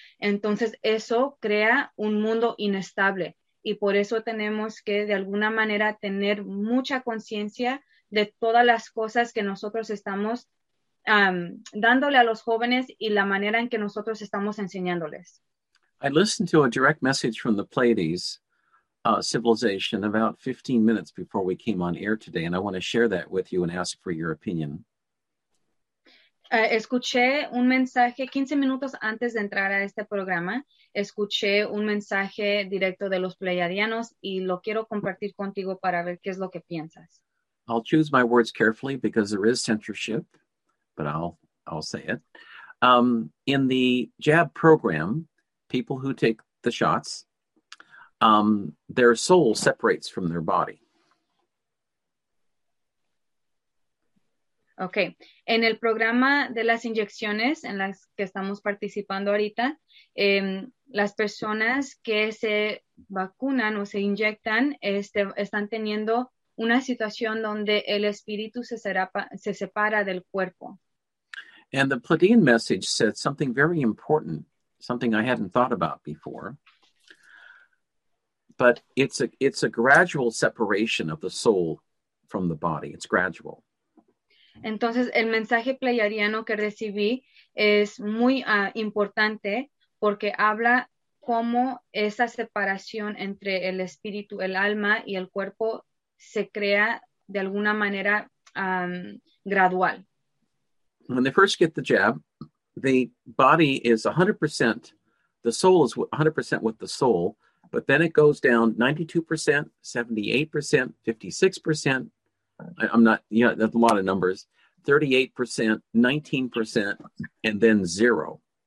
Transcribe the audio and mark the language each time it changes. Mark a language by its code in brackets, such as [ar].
[es] Entonces eso crea un mundo inestable y por eso tenemos que de alguna manera tener mucha conciencia de todas las cosas que nosotros estamos dándole a los jóvenes y la manera en que nosotros estamos enseñándoles. [en] I listened to a direct message from the Pleiades civilization about 15 minutes before we came on air today, and I want to share that with you and ask for your opinion. [es] Escuché un mensaje 15 minutos antes de entrar a este programa. Escuché un mensaje directo de los Pleiadianos y lo quiero compartir contigo para ver qué es lo que piensas. [en] I'll choose my words carefully because there is censorship, but I'll say it. In the jab program, people who take the shots, their soul separates from their body. Okay. [es] En el programa de las inyecciones en las que estamos participando ahorita, las personas que se vacunan o se inyectan están teniendo una situación donde el espíritu se separa del cuerpo. [en] And the Pleiadian message said something very important, something I hadn't thought about before. But it's a gradual separation of the soul from the body. It's gradual. [es] Entonces, el mensaje pleiadiano que recibí es muy importante porque habla cómo esa separación entre el espíritu, el alma y el cuerpo se crea de alguna manera gradual. [en] When they first get the jab, the body is 100%, the soul is 100% with the soul, but then it goes down 92%, 78%, 56%. I'm not, you know, that's a lot of numbers. 38%, 19%, and then zero.